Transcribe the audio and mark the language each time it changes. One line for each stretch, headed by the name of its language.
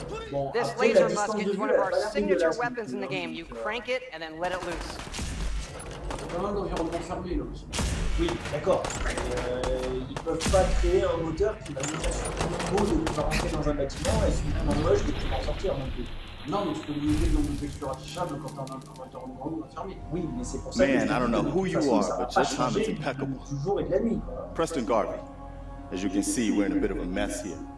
English: Bon, this laser musket is one of our signature weapons in the game. You crank it and then let it loose.
French: Oui, d'accord. Ils peuvent pas créer un moteur qui va nous faire sortir de l'eau, de nous faire rentrer dans un bâtiment et finalement de l'eau, je vais pouvoir en sortir non plus. Non, mais tu peux limiter le nombre de textures affichables quand t'as un ordinateur en grand ou fermé. Oui, mais c'est pour ça.
English: Man, I don't know who you are, but this time it's impeccable.
French: Du jour et de la nuit.
English: Preston Garvey, as you can see, we're in a bit of a mess here.